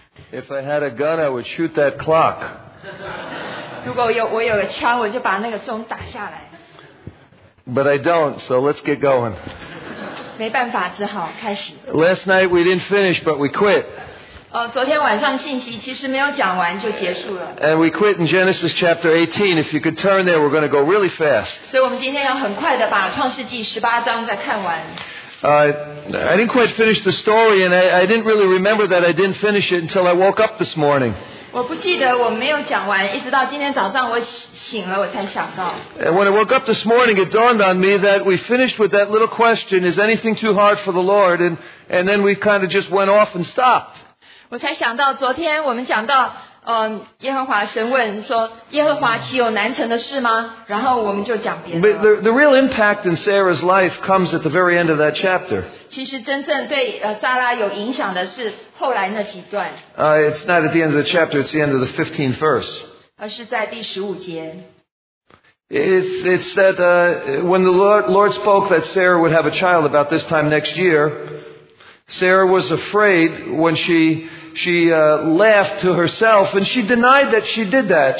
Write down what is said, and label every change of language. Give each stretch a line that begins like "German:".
English: If I had a gun, I would shoot that clock.
Chinese: 如果我有个枪，我就把那个钟打下来。
English: But I don't, so let's get going.
Chinese: 没办法，只好开始。
English: Last night we didn't finish, but we quit.
Chinese: 昨天晚上信息其实没有讲完就结束了。
English: And we quit in Genesis chapter 18. If you could turn there, we're going to go really fast.
Chinese: 所以我们今天要很快的把创世纪十八章再看完。
English: I didn't quite finish the story, and I didn't really remember that I didn't finish it until I woke up this morning.
Chinese: 我不记得我没有讲完，一直到今天早上我醒了，我才想到。
English: And when I woke up this morning, it dawned on me that we finished with that little question: "Is anything too hard for the Lord?" And then we kind of just went off and stopped.
Chinese: 我才想到昨天我们讲到，耶和华神问说，耶和华岂有难成的事吗？然后我们就讲别的。
English: But the real impact in Sarah's life comes at the very end of that chapter.
Chinese: 其实真正对撒拉有影响的是后来那几段。
English: It's not at the end of the chapter, it's the end of the 15th verse.
Chinese: 而是在第十五节。
English: It's that when the Lord spoke that Sarah would have a child about this time next year, Sarah was afraid when she laughed to herself, and she denied that she did that.